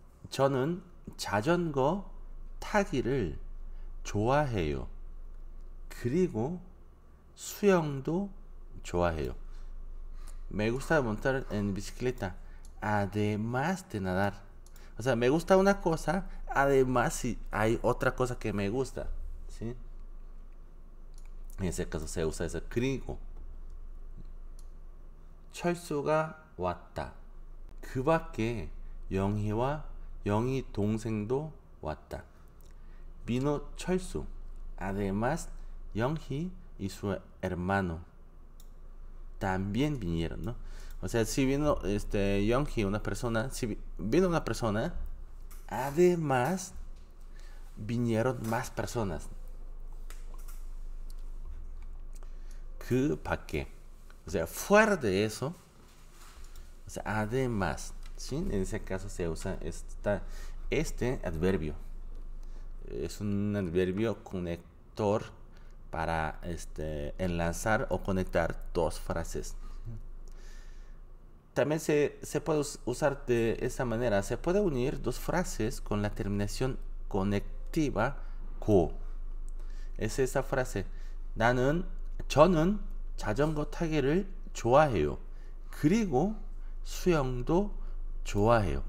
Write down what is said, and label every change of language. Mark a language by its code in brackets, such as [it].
[ko] 저는 자전거 타기를 좋아해요. 그리고 수영도 좋아해요. [es] Me gusta montar en bicicleta, además de nadar. O sea, me gusta una cosa, además si hay otra cosa que me gusta, ¿sí? En ese caso se usa ese 그리고. [ko] 철수가 왔다. 그밖에 영희와 영희 동생도 왔다. 민호 철수. [es] Además, Younghi y su hermano también vinieron, ¿no? O sea, si vino Younghi, una persona, si vino una persona, además vinieron más personas. [ko] 그 밖에. [es] O sea, fuera de eso. O sea, además, ¿sí? En ese caso se usa este adverbio. Es un adverbio conector para enlazar o conectar dos frases. También se puede usar de esta manera. Se puede unir dos frases con la terminación conectiva co. Es esa frase. [ko] 나는 저는 자전거 타기를 좋아해요. 그리고 수영도 좋아해요.